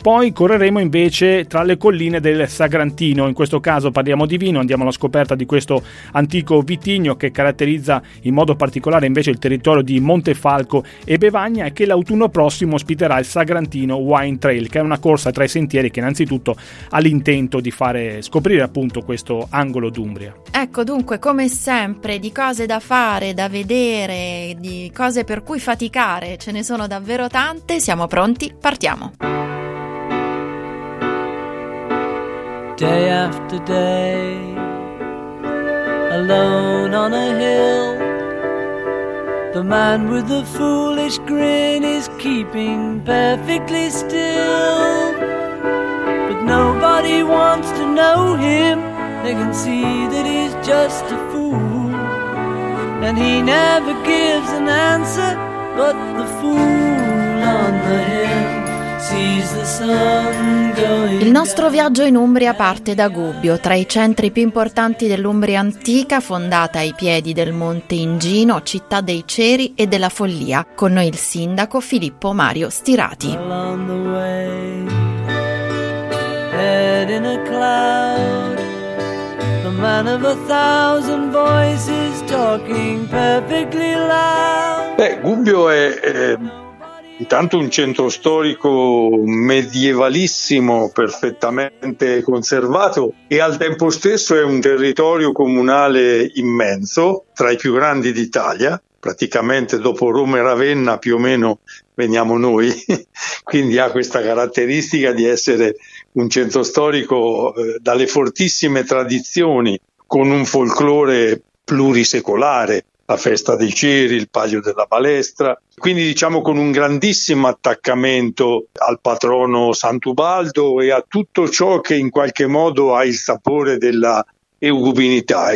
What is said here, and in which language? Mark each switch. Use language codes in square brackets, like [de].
[it] Poi correremo invece tra le colline del Sagrantino, in questo caso parliamo di vino, andiamo alla scoperta di questo antico vitigno che caratterizza in modo particolare invece il territorio di Montefalco e Bevagna e che l'autunno prossimo ospiterà il Sagrantino Wine Trail, che è una corsa tra i sentieri che innanzitutto ha l'intento di fare scoprire appunto questo angolo d'Umbria. Ecco dunque, come sempre, di cose da fare, da vedere, di cose per cui faticare, ce ne sono davvero tante. Siamo pronti? Partiamo! [en] Day after day, alone on a hill, the man with the foolish grin is keeping perfectly still, but nobody wants to know him. They can see that he's just a fool, and he never gives an answer. But the fool on the hill sees the sun going. [it] Il nostro viaggio in Umbria parte da Gubbio, tra i centri più importanti dell'Umbria antica, fondata ai piedi del Monte Ingino, città dei ceri e della follia. Con noi il sindaco Filippo Mario Stirati. [en] Along the way, head in a cloud, man of a thousand voices talking perfectly loud. [it] Beh, Gubbio è intanto un centro storico medievalissimo, perfettamente conservato, e al tempo stesso è un territorio comunale immenso, tra i più grandi d'Italia. Praticamente dopo Roma e Ravenna più o meno veniamo noi, quindi ha questa caratteristica di essere un centro storico dalle fortissime tradizioni, con un folklore plurisecolare, la festa dei ceri, il palio della balestra, quindi diciamo con un grandissimo attaccamento al patrono Sant'Ubaldo e a tutto ciò che in qualche modo ha il sapore della eugubinità.